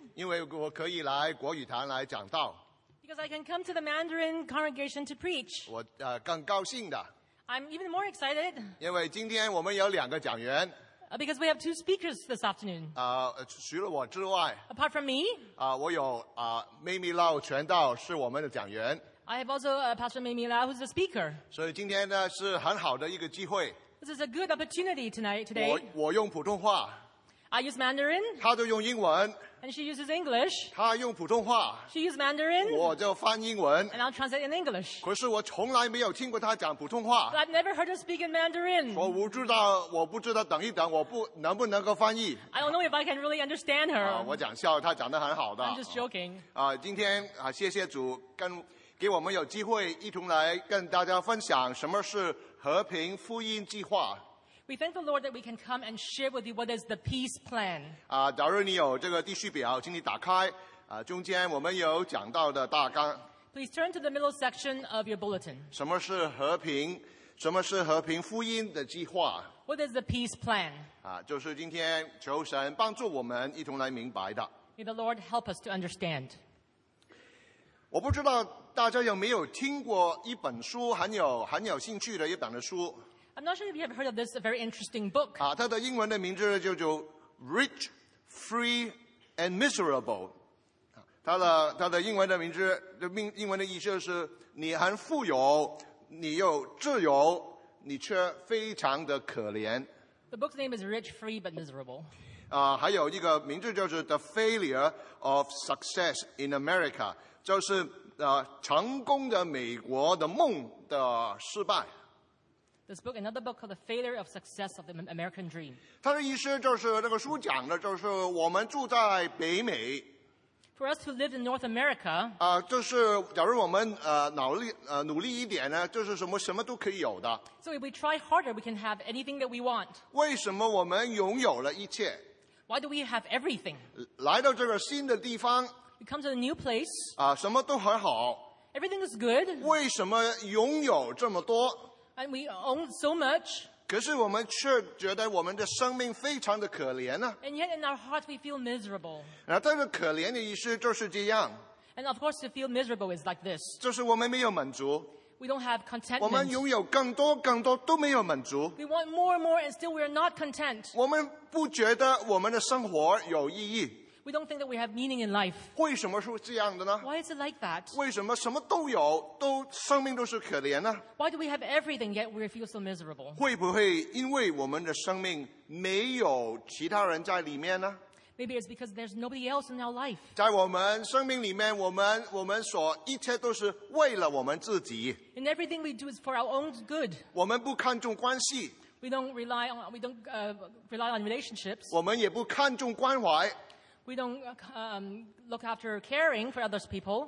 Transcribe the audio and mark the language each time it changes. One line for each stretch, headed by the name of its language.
Chinese: 因为我可以来国语堂来讲道。
English: Because I can come to the Mandarin congregation to preach.
Chinese: 我更高兴的。
English: I'm even more excited.
Chinese: 因为今天我们有两个讲员。
English: Because we have two speakers this afternoon.
Chinese: 除了我之外。
English: Apart from me.
Chinese: 我有Mimi Lau 全道是我们的讲员。
English: I have also Pastor Mimi Lau who's the speaker.
Chinese: 所以今天呢是很好的一个机会。
English: This is a good opportunity tonight, today.
Chinese: 我用普通话。
English: I use Mandarin.
Chinese: 他就用英文。
English: And she uses English.
Chinese: 他用普通话。
English: She uses Mandarin.
Chinese: 我就翻英文。
English: And I'll translate in English.
Chinese: 可是我从来没有听过他讲普通话。
English: But I've never heard her speak in Mandarin.
Chinese: 我不知道等一等我不能不能够翻译。
English: I don't know if I can really understand her.
Chinese: 我讲笑他讲得很好的。
English: I'm just joking.
Chinese: 今天谢谢主给我们有机会一同来跟大家分享什么是和平福音计划。
English: We thank the Lord that we can come and share with you what is the peace plan.
Chinese: 假如你有这个地序表，请你打开。中间我们有讲到的大纲。
English: Please turn to the middle section of your bulletin.
Chinese: 什么是和平福音的计划？
English: What is the peace plan?
Chinese: 就是今天求神帮助我们一同来明白的。
English: May the Lord help us to understand.
Chinese: 我不知道大家有没有听过一本书，很有兴趣的一本的书。
English: I'm not sure if you have heard of this very interesting book.
Chinese: 它的英文的名字叫 Rich, Free, and Miserable. 它的英文的名字英文的意思是你很富有你又自由你却非常的可怜。
English: The book's name is Rich, Free, but Miserable.
Chinese: 还有一个名字就是 The Failure of Success in America. 就是成功的美国的梦的失败。
English: This book, another book called The Failure of Success of the American Dream.
Chinese: 它的意思就是那个书讲的就是我们住在北美。
English: For us who live in North America,
Chinese: 就是假如我们努力一点呢，就是什么都可以有的。
English: So if we try harder, we can have anything that we want.
Chinese: 为什么我们拥有了一切？
English: Why do we have everything?
Chinese: 来到这个新的地方。
English: We come to a new place.
Chinese: 什么都很好。
English: Everything is good.
Chinese: 为什么拥有这么多？
English: And we own so much.
Chinese: 可是我们却觉得我们的生命非常的可怜呢。
English: And yet in our hearts we feel miserable.
Chinese: 那这个可怜的意思就是这样。
English: And of course to feel miserable is like this.
Chinese: 就是我们没有满足。
English: We don't have contentment.
Chinese: 我们拥有更多更多都没有满足。
English: We want more and more and still we are not content.
Chinese: 我们不觉得我们的生活有意义。
English: We don't think that we have meaning in life.
Chinese: 为什么是这样的呢？
English: Why is it like that?
Chinese: 为什么什么都有，都生命都是可怜呢？
English: Why do we have everything yet we feel so miserable?
Chinese: 会不会因为我们的生命没有其他人在里面呢？
English: Maybe it's because there's nobody else in our life.
Chinese: 在我们生命里面，我们所一切都是为了我们自己。
English: And everything we do is for our own good.
Chinese: 我们不看重关系。
English: We don't rely on relationships.
Chinese: 我们也不看重关怀。
English: We don't look after caring for other people.